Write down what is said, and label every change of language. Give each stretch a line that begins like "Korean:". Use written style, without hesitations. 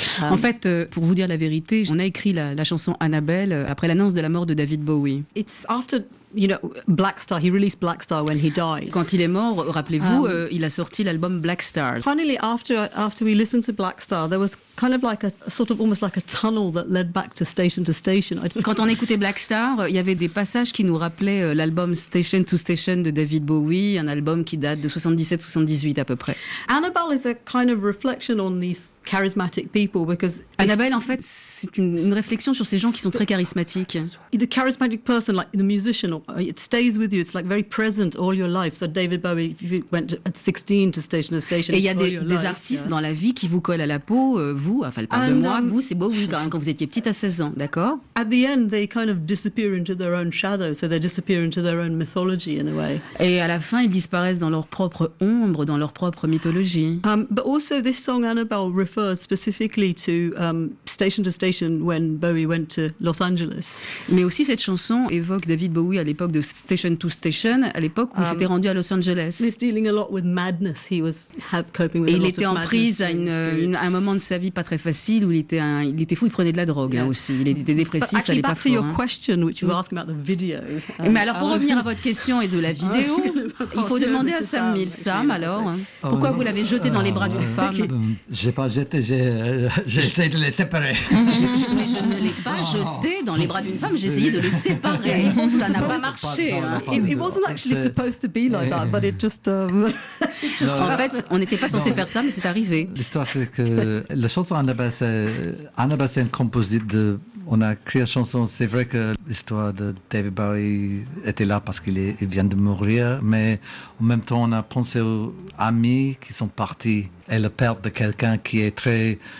French: En fait, pour vous dire la vérité, on a écrit la chanson Annabelle après l'annonce de la mort de David Bowie.
English: It's after, you know, Black Star, he released Black Star when he died.
French: Quand il est mort, rappelez-vous, il a sorti l'album Black Star.
English: Finally, after we listened to Black Star, there was kind of like a sort of almost like a tunnel that led back to Station to Station.
French: Quand on écoutait Black Star, il y avait des passages qui nous rappelaient l'album Station to Station de David Bowie, un album qui date de 77-78 à peu près.
English: Annabelle is a kind of reflection on these charismatic people because
French: Annabelle, en fait, c'est une réflexion sur ces gens qui sont très charismatiques.
English: The charismatic person, like the musician, it stays with you. It's like very present all your life. So David Bowie, if you went at 16 to Station to Station.
French: Et il y a des artistes dans la vie qui vous collent à la peau. Vous, enfin, elle parle de moi, vous, c'est beau, oui, quand vous étiez petite à 16 ans, d'accord?
English: At the end, they kind of disappear into their own shadow, so they disappear into their own mythology, in a way.
French: Et à la fin, ils disparaissent dans leur propre ombre, dans leur propre mythologie.
English: But also, this song, Annabelle, refers specifically to Station to Station when Bowie went to Los Angeles.
French: Mais aussi, cette chanson évoque David Bowie à l'époque de Station to Station, à l'époque où il s'était rendu à Los Angeles.
English: He's dealing a lot with madness, he was coping with
French: et
English: a lot of madness.
French: Et il était en prise à un moment de sa vie pas très facile, où il était fou, il prenait de la drogue hein, aussi, il était dépressif,
English: actually,
French: ça n'est pas fort.
English: Your question, which you were asking about the video.
French: Mais alors, pour revenir à votre question et de la vidéo, il faut demander à Sam Mills. Sam, alors, pourquoi vous l'avez jeté dans les bras d'une femme? J'ai essayé de les séparer. Mais je ne l'ai pas jeté dans les bras d'une femme, j'ai essayé de les séparer. Ça n'a pas marché.
English: It wasn't actually supposed to be like that, but it just...
French: En fait, on n'était pas censé faire ça, mais c'est arrivé. L'histoire, c'est que... La chanson Annabelle, c'est un composite de... On a créé la chanson, c'est vrai que l'histoire de David Bowie était là parce qu'il est, il vient de mourir, mais en même temps, on a pensé aux amis qui sont partis et la perte de quelqu'un qui est très...